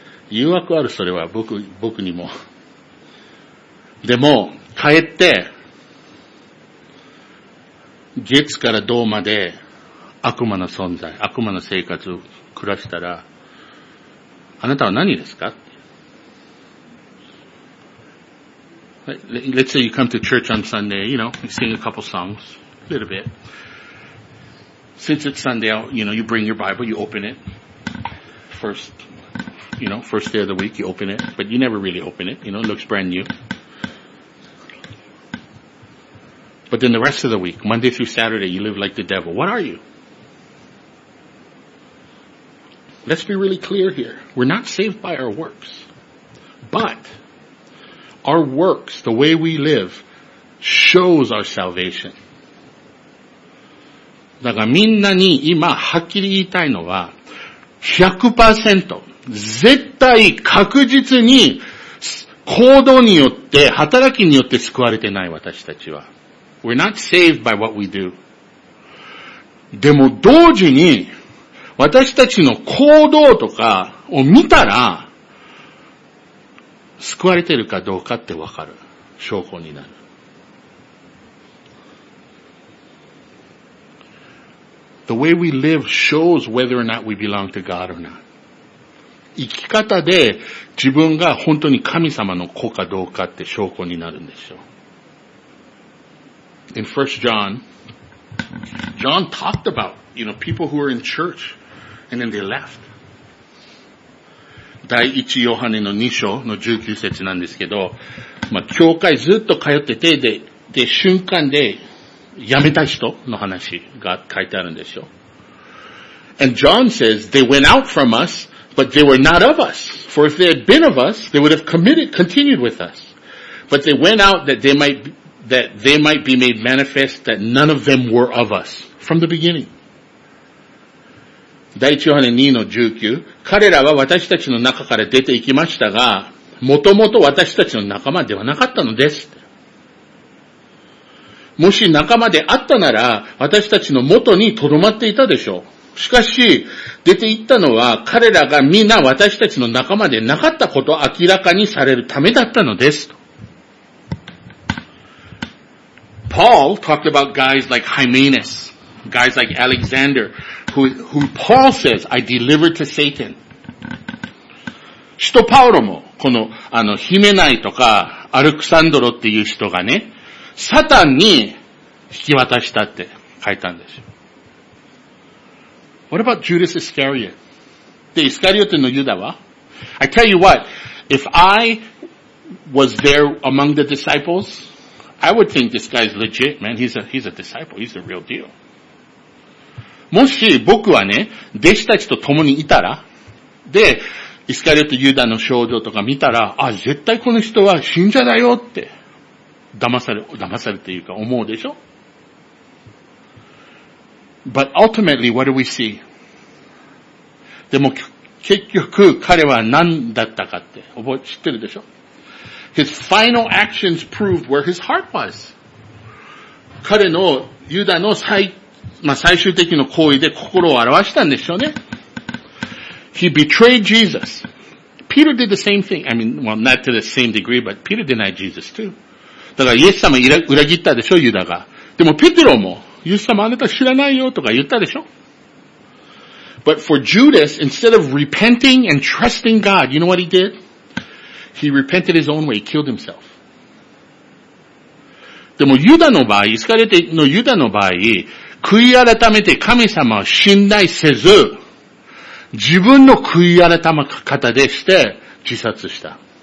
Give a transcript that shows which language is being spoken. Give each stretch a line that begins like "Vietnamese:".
Japanese: 誘惑ある、それは、僕にも。でも、帰って、月から土まで悪魔の存在、悪魔の生活を暮らしたら、あなたは何ですか？
English: Let's say you come to church on Sunday, you know, you sing a couple songs, a little bit. Since it's Sunday, you know, you bring your Bible, you open it. First day of the week, you open it, but you never really open it, you know, it looks brand new. But then the rest of the week, Monday through Saturday, you live like the devil. What are you? Let's be really clear here. We're not saved by our works. But our works, the way we live, shows our salvation.
Japanese: だからみんなに今はっきり言いたいのは、100% 絶対確実に行動によって、働きによって救われてない私たちは。
English: We're not saved by what we do.
Japanese: でも同時に私たちの行動とかを見たら救われてるかどうかってわかる証拠になる。
English: The way we live shows whether or not we belong to God or not.
Japanese: 生き方で自分が本当に神様の子かどうかって証拠になるんですよ。
English: In 1 John, John talked about, you know, people who were in church and then they left.
Japanese: 第1ヨハネの2章の19節なんですけど、まあ、教会ずっと通ってて、で、瞬間で辞めた人の話が書いてあるんですよ。
English: And John says, they went out from us, but they were not of us. For if they had been of us, they would have committed, continued with us. But they went out that they might be made manifest that none of them were of us from the beginning.
Japanese: 第1ヨハネ2の19。彼らは私たちの中から出て行きましたが、もともと私たちの仲間ではなかったのです。もし仲間であったなら、私たちの元に留まっていたでしょう。しかし、出て行ったのは彼らが皆私たちの仲間でなかったことを明らかにされるためだったのです。
English: Paul talked about guys like Hymenaeus, guys like Alexander, who Paul says, I delivered to Satan.
Japanese: 使徒パウロも、この、あの、ヒメナイとか、アレクサンドロっていう人がね、サタンに引き渡したって書いたんですよ。
English: What about Judas Iscariot?
Japanese: で、イスカリオテのユダは
English: ?I tell you what, if I was there among the disciples, I would think this guy's legit, man. He's a disciple. He's the real deal.
Japanese: もし僕はね、弟子たちと共にいたら、で、イスカリオテユダの症状とか見たら、あ、絶対この人は信者だよって、騙されていうか思うでしょ
English: ?But ultimately, what do we see?
Japanese: でも、結局、彼は何だったかって、知ってるでしょ
English: ?His final actions proved where his heart was.
Japanese: 彼のユダの最、まあ、最終的な行為で心を表したんでしょうね。
English: He betrayed Jesus. Peter did the same thing. I mean, well, not to the same degree, but Peter denied Jesus too.
Japanese: だから、イエス様裏切ったでしょ、ユダが。でも、ペテロも、イエス様あなた知らないよとか言ったでしょ。
English: But for Judas, instead of repenting and trusting God, you know what he did? He repented his own way. He killed himself.
Japanese: でも、ユダの場合、イスカリオテのユダの場合、悔い改めて神様を信頼せず、自分の悔い改め方でして自殺した。